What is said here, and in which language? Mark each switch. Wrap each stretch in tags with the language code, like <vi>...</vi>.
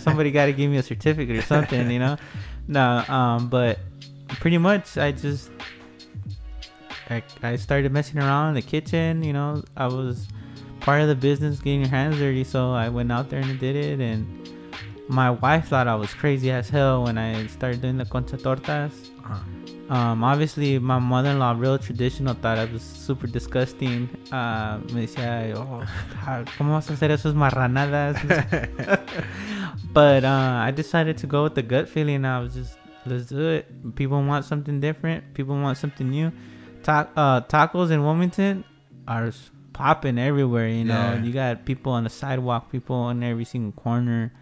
<en>Somebody got to give me a certificate or something, you know? No, but pretty much I started messing around in the kitchen. You know, I was part of the business getting your hands dirty, so I went out there and did it. And my wife thought I was crazy as hell when I started doing the concha tortas. Obviously, my mother-in-law, real traditional, thought I was super disgusting.</en> <es>Me decía, ¿cómo vas a hacer esas marranadas?</es> <en>But I decided to go with the gut feeling. I was just, let's do it. People want something different. People want something new. Tacos in Wilmington are popping everywhere, you know. Yeah. You got people on the sidewalk, people in every single corner.</en>